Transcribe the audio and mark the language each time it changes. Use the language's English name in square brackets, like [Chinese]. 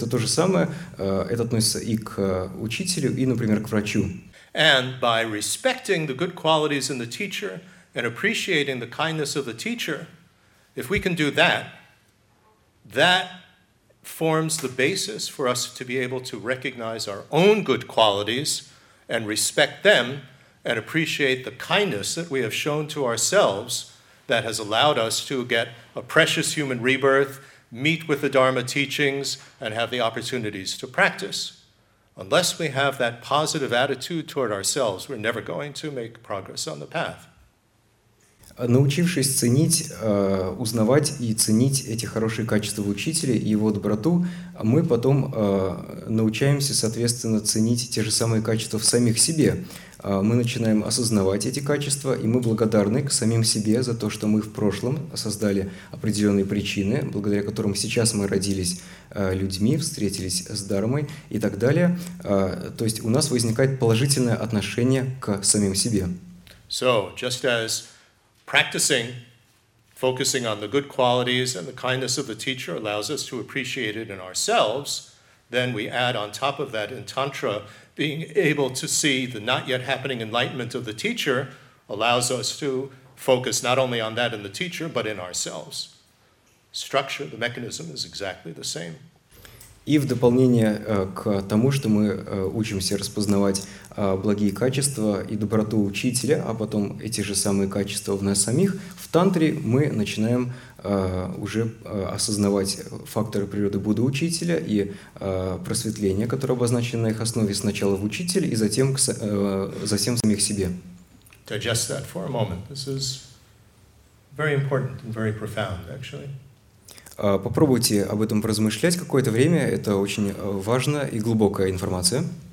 [Russian] Это то же самое, это относится и к учителю, и, например, к врачу. [English] And by respecting the good qualities in the teacher and appreciating the kindness of the teacher, if we can do that, that forms the basis for us to be able to recognize our own good qualities and respect them and appreciate the kindness that we have shown to ourselves that has allowed us to get a precious human rebirth, meet with the Dharma teachings, and have the opportunities to practice. Unless we have that positive attitude toward ourselves, we're never going to make progress on the path. [Russian] Научившись ценить, узнавать и ценить эти хорошие качества учителя и его доброту, мы потом научаемся, соответственно, ценить те же самые качества в самих себе. Мы начинаем осознавать эти качества, и мы благодарны к самим себе за то, что мы в прошлом создали определенные причины, благодаря которым сейчас мы родились людьми, встретились с Дармой и так далее. То есть у нас возникает положительное отношение к самим себе. [English] So, just as practicing, focusing on the good qualities and the kindness of the teacher allows us to appreciate it in ourselves, then we add on top of that in Tantra, being able to see the not yet happening enlightenment of the teacher allows us to focus not only on that in the teacher, but in ourselves. Structure, the mechanism is exactly the same. [Russian] И в дополнение к тому, что мы учимся распознавать благие качества и доброту учителя, а потом эти же самые качества в нас самих, в тантре мы начинаем уже осознавать факторы природы Будды учителя и просветление, которое обозначено на их основе сначала в учителе и затем затем в самих себе. [English] Digest that for a moment. This is very important and very profound, actually. [Russian] Попробуйте об этом поразмышлять какое-то время. Это очень важная и глубокая информация.